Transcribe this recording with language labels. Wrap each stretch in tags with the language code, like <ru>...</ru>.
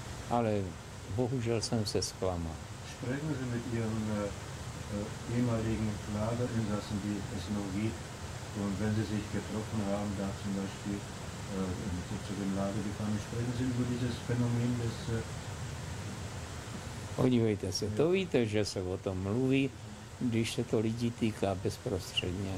<cs>Ale bohužel jsem se zklamal.</cs> <de>Sprechen Sie mit Ihren ehemaligen Lagerinsassen, die es noch gibt, und wenn Sie sich getroffen haben, da zum Beispiel zu dem Lager gefahren, sprechen Sie über dieses Phänomen des...</de> <cs>Podívejte se, to víte, že se o tom mluví, když se to lidi týká bezprostředně.</cs>